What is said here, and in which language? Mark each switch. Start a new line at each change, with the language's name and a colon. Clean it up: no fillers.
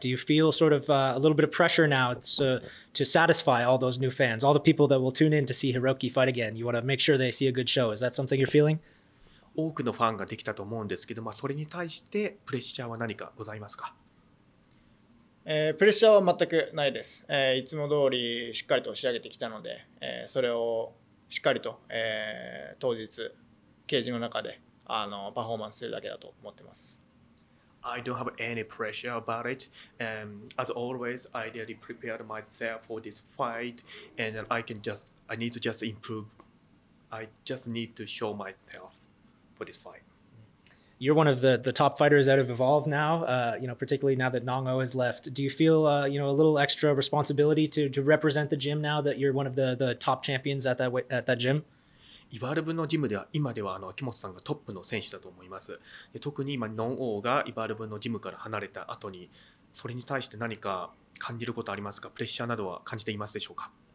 English: Do you feel sort of a little bit of pressure now to satisfy all those new fans, all the people that will tune in to see Hiroki fight again? You want to make sure they see a good show. Is that something you're feeling?
Japanese: 多くのファンができたと思うんですけど、まあ、それに対してプレッシャーは何かございますか？プレッシャーは全くないです。いつも通りしっかりと仕上げてきたので、それをしっかりと、当日ケージの中でパフォーマンスするだけだと思ってます。
English: I don't have any pressure about it. As always, I really prepared myself for this fight, and I need to just improve. I just need to show myself for this fight. You're one of the top fighters out of Evolve now, you know, particularly now that Nong O has left. Do you feel you know, a little extra responsibility to represent the gym now that you're one of the top champions at that gym?
Japanese: Evolve のジムでは今では秋元さんがトップの選手だと思います。で、特に今ノンオーが Evolve のジムから離れた後に、それに対して何か感じることありますか？プレッシャーなどは感じていますでしょうか？